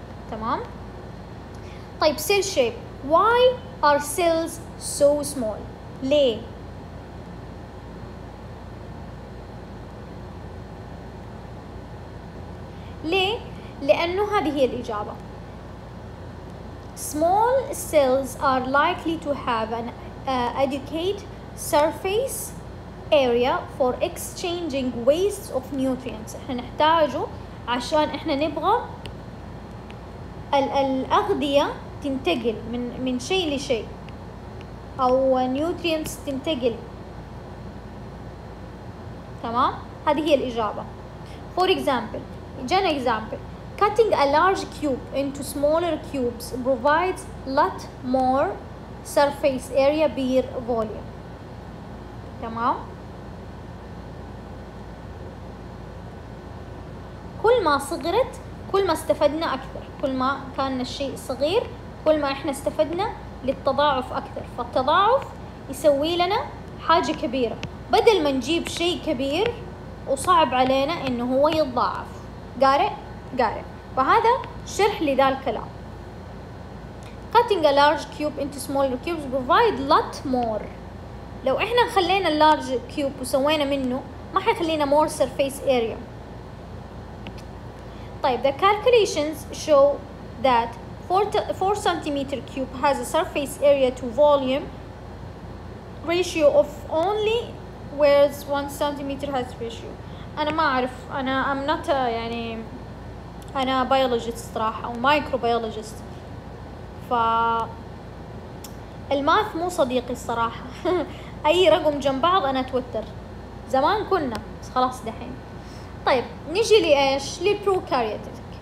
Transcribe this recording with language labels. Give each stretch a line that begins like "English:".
Arabic: تمام، طيب
English: Cell shape, why are cells so small?
Arabic: ليه؟ لانه هذه هي الاجابه.
English: Small cells are likely to have an adequate surface area for exchanging waste of nutrients.
Arabic: احنا نحتاجه عشان احنا نبغى الأغذية تنتقل من شيء لشيء، او nutrients تنتقل. تمام، هذه هي الإجابة.
English: For example، جانا example، cutting a large cube into smaller cubes provides lot more surface area per volume.
Arabic: تمام، كل ما صغرت كل ما استفدنا اكثر، كل ما كان الشيء صغير كل ما احنا استفدنا للتضاعف اكثر، فالتضاعف يسوي لنا حاجه كبيره، بدل ما نجيب شيء كبير وصعب علينا انه هو يتضاعف. قارئ وهذا شرح لذا الكلام.
English: Cutting a large cube into smaller cubes provide lot more.
Arabic: لو احنا خلينا اللارج كيوب وسوينا منه ما حيخلينا
English: more surface area. طيب the calculations show that 4 centimeter cube has a surface area to volume ratio of only whereas 1 centimeter has ratio.
Arabic: انا ما اعرف، انا
English: I'm not a
Arabic: يعني انا بيولوجيست صراحه او مايكروبيولوجيست، ف الماث مو صديقي الصراحة. أي رقم جنب بعض أنا أتوتر. زمان كنا بس خلاص دحين. طيب نجي لإيش؟ لبروكارياتيك.